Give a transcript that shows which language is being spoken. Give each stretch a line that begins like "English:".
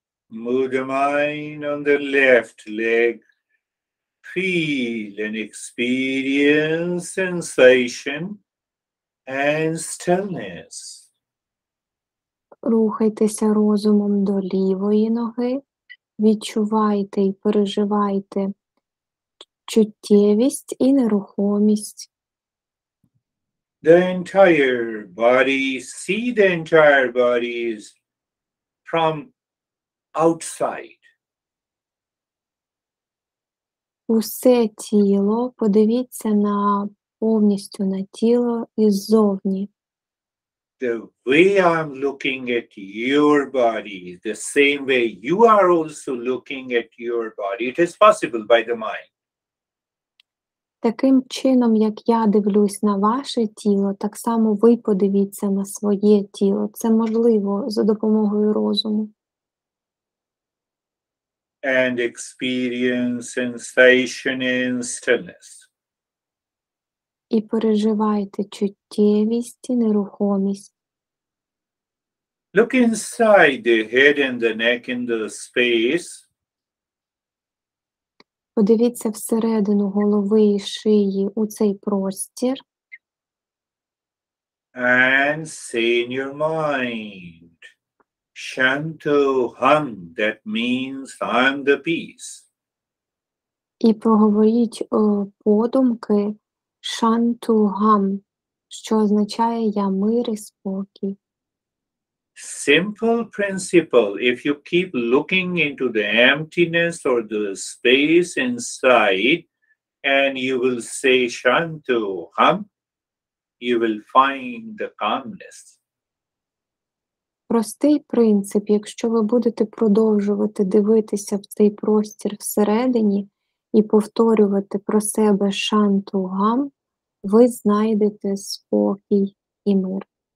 English: Move the mind on the left leg. Feel and experience sensation and stillness.
Ukrainian: Рухайтеся розумом до лівої ноги. Відчувайте і переживайте чуттєвість і нерухомість.
English: The entire body, see the entire body is from outside.
Ukrainian: Усе тіло, подивіться на повністю на тіло іззовні.
English: The way I'm looking at your body, the same way you are also looking at your body, it is possible by the mind.
Ukrainian: Таким чином, як я дивлюсь на ваше тіло, так само ви подивіться на своє тіло. Це можливо за допомогою розуму.
English: And experience sensation in stillness.
Ukrainian: І переживайте чуттєвість і нерухомість.
English: Look inside the head and the neck in the space.
Ukrainian: Подивіться всередину голови і шиї у цей простір.
English: And see in your mind. Shanto Han, that means I'm the peace.
Ukrainian: І проговоріть подумки Shanto Han, що означає я мир і спокій.
English: Simple principle, if you keep looking into the emptiness or the space inside and you will say Shanto Ham, you will find the calmness.
Ukrainian: Простий принцип, якщо ви будете продовжувати дивитися в цей простір всередині і повторювати про себе Shanto Ham, ви знайдете спокій і мир.